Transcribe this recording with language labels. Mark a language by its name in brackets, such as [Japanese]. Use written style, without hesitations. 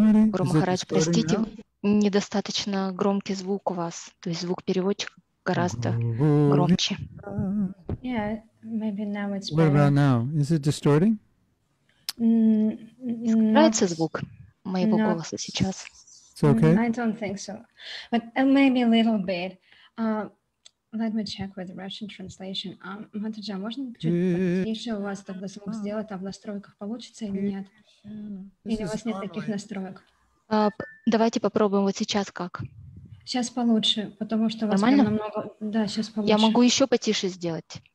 [Russian] Guru Maharaj, простите, недостаточно громкий звук у вас, то есть звук переводчика гораздо громче. [English] Yeah, maybe now it's What better. About now? Is it distorting? [Russian] Искажается звук моего голоса сейчас. [English] It's okay. I don't think so, but maybe a little bit. Let me check with Russian translation. [Russian] Матаджа, можно еще у вас такой звук сделать, а в настройках получится или нет? Или у вас нет таких настроек? Давайте попробуем вот сейчас как. Сейчас получше, потому что у вас Нормально? Намного... Да, сейчас получше. Я могу еще потише сделать.